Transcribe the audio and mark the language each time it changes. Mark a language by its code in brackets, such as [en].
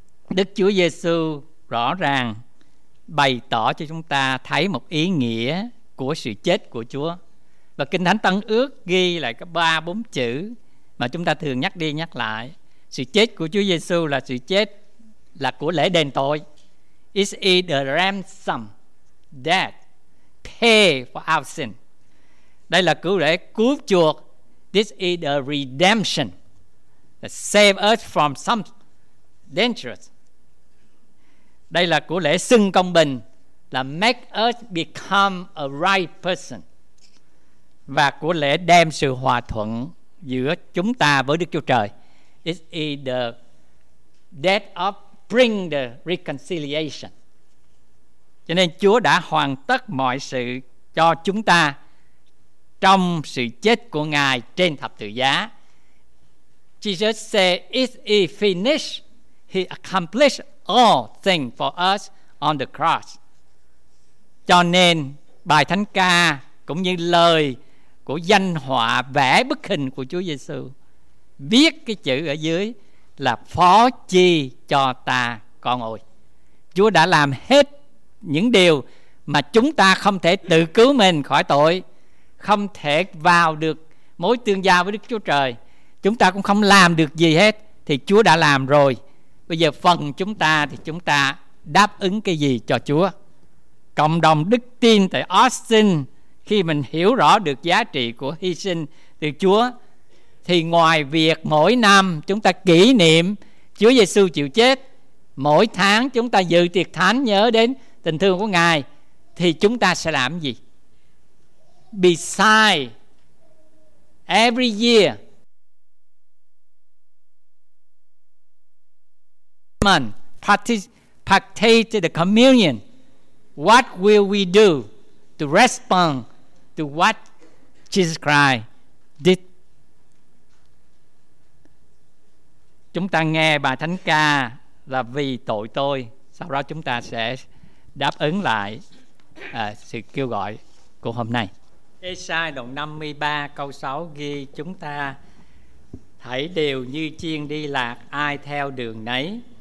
[vi] Đức Chúa Giê-xu rõ ràng bày tỏ cho chúng ta thấy một ý nghĩa của sự chết của Chúa. Và Kinh Thánh Tân Ước ghi lại có 3-4 chữ mà chúng ta thường nhắc đi nhắc lại. Sự chết của Chúa Giê-xu là sự chết là của lễ đền tội. [en] It is the ransom that pay for our sin. [vi] Đây là cứu lễ cứu chuộc. [en] This is the redemption that save us from some dangerous. [vi] Đây là cứu lễ xưng công bình, là [en] make us become a right person. [vi] và của lễ đem sự hòa thuận giữa chúng ta với Đức Chúa Trời. [en] It is the death of bring the reconciliation. [vi] Cho nên Chúa đã hoàn tất mọi sự cho chúng ta trong sự chết của Ngài trên thập tự giá. [en] Jesus said, "It is finished." He accomplished all things for us on the cross. [vi] Cho nên bài thánh ca cũng như lời của danh họa vẽ bức hình của Chúa Giêsu viết cái chữ ở dưới là phó chi cho ta con ơi. Chúa đã làm hết những điều mà chúng ta không thể tự cứu mình khỏi tội, không thể vào được mối tương giao với Đức Chúa Trời, chúng ta cũng không làm được gì hết, thì Chúa đã làm rồi. Bây giờ phần chúng ta thì chúng ta đáp ứng cái gì cho Chúa? Cộng đồng đức tin tại Austin, khi mình hiểu rõ được giá trị của hy sinh từ Chúa, thì ngoài việc mỗi năm chúng ta kỷ niệm Chúa Giêsu chịu chết, mỗi tháng chúng ta dự tiệc thánh nhớ đến tình thương của Ngài, thì chúng ta sẽ làm gì? [en] Besides every year partake the communion, what will we do to respond to what Jesus Christ did? [vi] Chúng ta nghe bài thánh ca là vì tội tôi, sau đó chúng ta sẽ đáp ứng lại sự kêu gọi của hôm nay. Ê-sai đoạn 53 câu 6 ghi chúng ta thấy đều như chiên đi lạc, ai theo đường nấy.